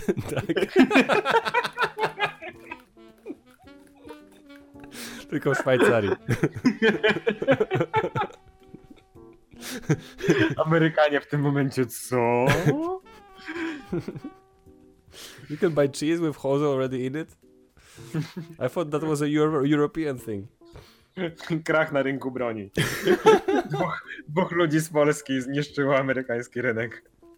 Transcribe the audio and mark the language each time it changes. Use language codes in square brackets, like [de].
[pl] Tak. Tylko w Szwajcarii. Amerykanie w tym momencie: co? [en] You can buy cheese with holes already in it? I thought that was a European thing. [pl] Krach na rynku broni. Dwóch ludzi z Polski zniszczyło amerykański rynek.